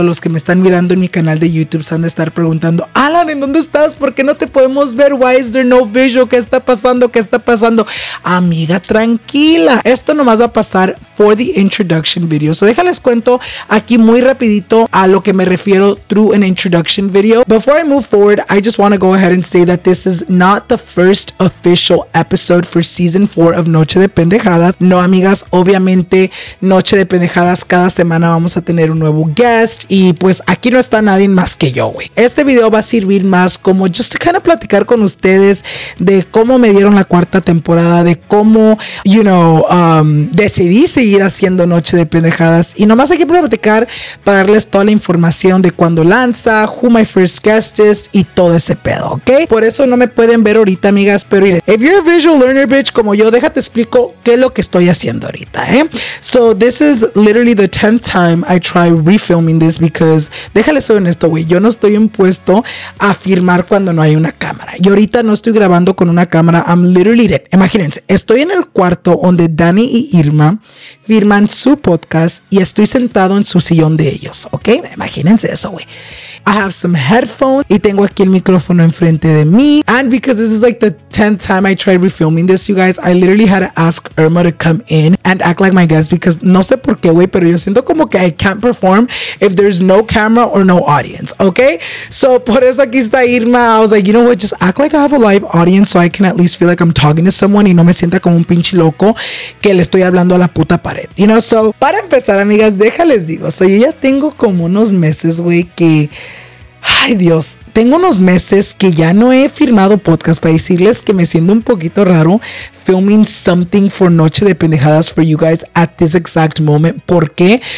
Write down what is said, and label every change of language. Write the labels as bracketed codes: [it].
[es] Todos los que me están mirando en mi canal de YouTube se han de estar preguntando: Alan, ¿en dónde estás? ¿Por qué no te podemos ver? [en] Why is there no visual? [es] ¿Qué está pasando? ¿Qué está pasando? Amiga, tranquila, esto nomás va a pasar [en] for the introduction video. [es] So déjales cuento aquí muy rapidito a lo que me refiero [en] through an introduction video. Before I move forward, I just want to go ahead and say that this is not the first official episode for season 4 of Noche de Pendejadas. [es] No, amigas, obviamente Noche de Pendejadas, cada semana vamos a tener un nuevo guest y pues aquí no está nadie más que yo, güey. Este video va a servir más como [en] just to kind of [es] platicar con ustedes de cómo me dieron la cuarta temporada, de cómo, [en] you know, [es] decidí seguir haciendo Noche de Pendejadas, y nomás aquí para platicar, para darles toda la información de cuándo lanza, [en] who my first guest is [es] y todo ese pedo, ¿ok? Por eso no me pueden ver ahorita, amigas, pero miren, [en] if you're a visual learner bitch [es] como yo, déjate explico qué es lo que estoy haciendo ahorita, ¿eh? [en] So this is literally the 10th time I try refilming this because, [es] déjale ser honesto, güey, yo no estoy impuesto a firmar cuando no hay una cámara. Y ahorita no estoy grabando con una cámara. [en] I'm literally dead. [es] Imagínense, estoy en el cuarto donde Dani y Irma firman su podcast y estoy sentado en su sillón de ellos, ¿ok? Imagínense eso, güey. [en] I have some headphones [es] y tengo aquí el micrófono enfrente de mí. [en] And because this is like the 10th time I tried refilming this, you guys, I literally had to ask Irma to come in and act like my guest because [es] no sé por qué, güey, pero yo siento como que [en] I can't perform if there's no camera or no audience, okay? [es] So por eso aquí está Irma. [en] I was like, you know what, just act like I have a live audience so I can at least feel like I'm talking to someone [es] y no me sienta como un pinche loco que le estoy hablando a la puta pared, [en] you know? [es] So para empezar, amigas, déjales digo, so yo ya tengo como unos meses, güey, que... Ay, Dios, tengo unos meses que ya no he firmado podcast, para decirles que me siento un poquito raro [en] filming something for Noche de Pendejadas for you guys at this exact moment. [es] ¿Por qué?